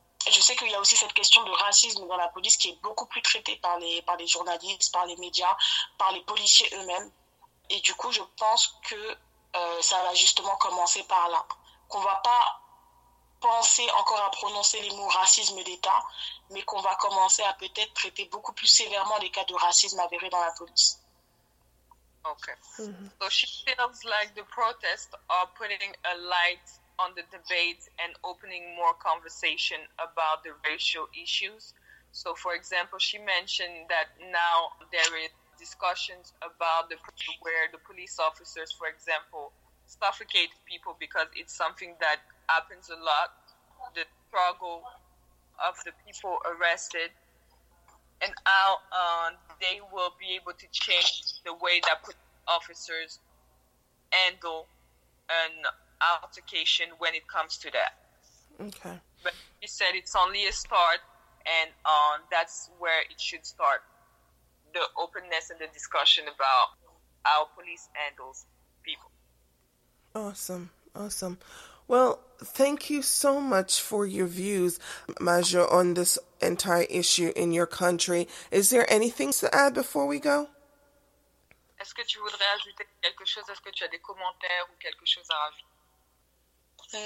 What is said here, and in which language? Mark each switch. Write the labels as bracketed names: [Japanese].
[French] Je sais qu'il y a aussi cette question de racisme dans la police qui est beaucoup plus traitée par les journalistes, par les médias, par les policiers eux-mêmes. Et du coup, je pense que ça va justement commencer par là. Qu'on ne va pas penser encore à prononcer les mots racisme d'État, mais qu'on va commencer à peut-être traiter beaucoup plus sévèrement les cas de racisme avérés dans la police. [English] OK. So she feels like the protests are putting a light on the debate and opening more conversation about the racial issues. So for example, she mentioned that now there is discussions about the where the police officers, for example, suffocate people, because it's something that happens a lot, the struggle of the people arrested and how they will be able to change the way that police officers handle an altercation when it comes to that. Okay. But you said it's only a start, and that's where it should start, the openness and the discussion about how police handles people. Awesome, awesome. Well, thank you so much for your views, Majo, on this entire issue in your country. Is there anything to add before we go? [French] Est-ce que tu voudrais ajouter quelque chose? Est-ce que tu as des commentaires ou quelque chose à ajouter?